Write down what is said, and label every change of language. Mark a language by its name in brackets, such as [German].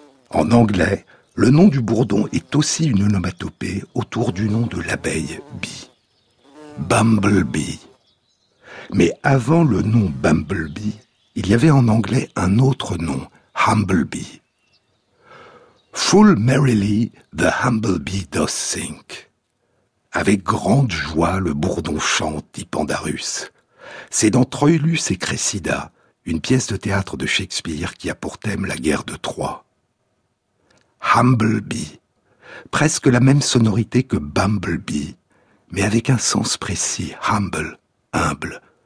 [French] En anglais, le nom du bourdon est aussi une onomatopée autour du nom de l'abeille bee, bumblebee. Mais avant le nom bumblebee, il y avait en anglais un autre nom, humblebee. [English] Full merrily the humblebee does sing. [French] Avec grande joie, le bourdon chante, dit Pandarus. C'est dans Troïlus et Cressida, une pièce de théâtre de Shakespeare qui a pour thème la guerre de Troie. Humblebee, presque la même sonorité que bumblebee, mais avec un sens précis, humble, humble.